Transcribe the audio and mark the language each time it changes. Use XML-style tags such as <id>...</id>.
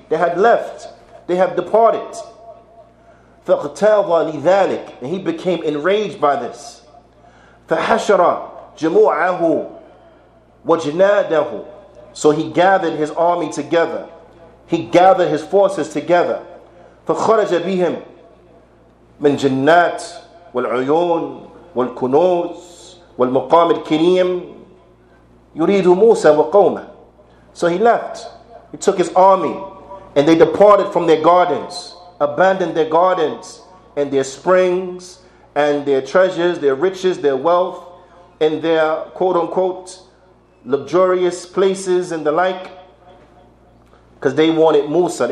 <en>They had left. They had departed.</en> <ar>فَاغْتَاظَ لِذَلِكَ.</ar> <en>And he became enraged by this.</en> <ar>فَحَشَرَ جَمُوعَهُ وَجْنَادَهُ.</ar> <en>So he gathered his army together. He gathered his forces together.</en> <ar>فخرج بهم من جنات والعيون والكنوز والمقام الكريم يريد موسى وقومه.</ar> <en>So he left. He took his army and they departed from their gardens, abandoned their gardens and their springs and their treasures, their riches, their wealth, and their quote unquote luxurious places and the like, because they wanted Musa.</en>